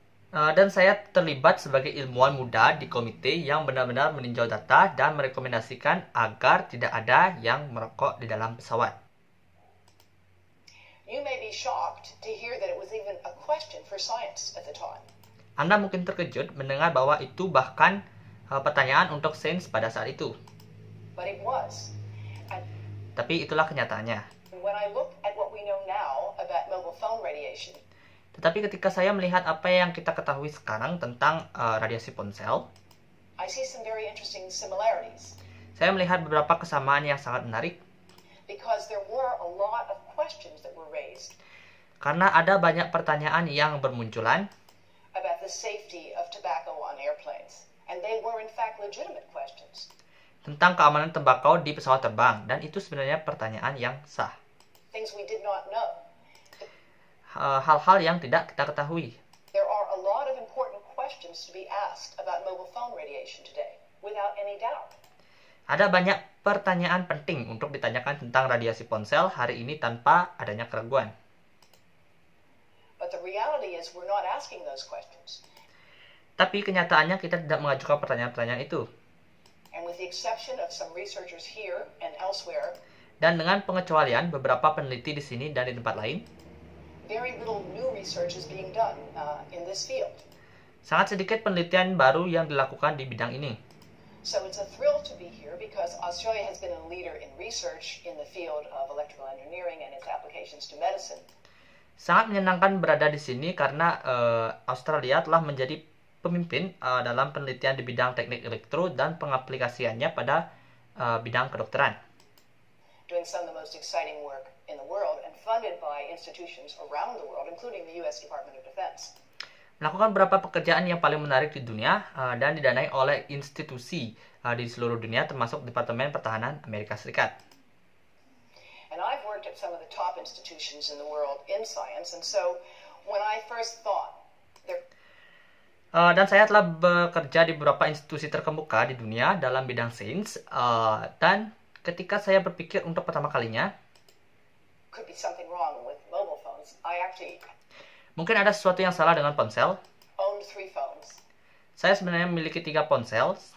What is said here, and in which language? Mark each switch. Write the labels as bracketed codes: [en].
[id] Dan saya terlibat sebagai ilmuwan muda di komite yang benar-benar meninjau data dan merekomendasikan agar tidak ada yang merokok di dalam pesawat. [en] You may be shocked to hear that it was even a question for science at the time. [id] Anda mungkin terkejut mendengar bahwa itu bahkan pertanyaan untuk sains pada saat itu. [en] But it was. [id] Tapi itulah kenyataannya. [en] When I look at what we know now about mobile phone radiation. [id] Tetapi ketika saya melihat apa yang kita ketahui sekarang tentang radiasi ponsel, [en] I see some very interesting similarities. [id] Saya melihat beberapa kesamaan yang sangat menarik. [en] Because there were a lot of questions that were raised. [id] Karena ada banyak pertanyaan yang bermunculan [en] about the safety of tobacco on airplanes, and they were in fact legitimate questions. [id] Tentang keamanan tembakau di pesawat terbang, dan itu sebenarnya pertanyaan yang sah. [en] Things we did not know. [id] Hal-hal yang tidak kita ketahui. [en] There are a lot of important questions to be asked about mobile phone radiation today, without any doubt. [id] Ada banyak pertanyaan penting untuk ditanyakan tentang radiasi ponsel hari ini tanpa adanya keraguan. [en] But the reality is we're not asking those questions. [id] Tapi kenyataannya kita tidak mengajukan pertanyaan-pertanyaan itu. [en] And with the exception of some researchers here and elsewhere, [id] dan dengan pengecualian beberapa peneliti di sini dan di tempat lain, [en] very little new research is being done in this field. [id] Sangat sedikit penelitian baru yang dilakukan di bidang ini. [en] So it's a thrill to be here because Australia has been a leader in research in the field of electrical engineering and its applications to medicine. [id] Sangat menyenangkan berada di sini karena Australia telah menjadi pemimpin dalam penelitian di bidang teknik elektro dan pengaplikasiannya pada bidang kedokteran. [en] Doing some of the most exciting work in the world and funded by institutions around the world, including the U.S. Department of Defense. [id] Melakukan beberapa pekerjaan yang paling menarik di dunia dan didanai oleh institusi di seluruh dunia, termasuk Departemen Pertahanan Amerika Serikat. [en] And I've worked at some of the top institutions in the world in science, and so when I first thought there. [id] Dan saya telah bekerja di beberapa institusi terkemuka di dunia dalam bidang sains, dan ketika saya berpikir untuk pertama kalinya, [en] could be something wrong with mobile phones. I actually. [id] Mungkin ada sesuatu yang salah dengan ponsel. [en] Owned three phones. [id] Saya sebenarnya memiliki 3 ponsel.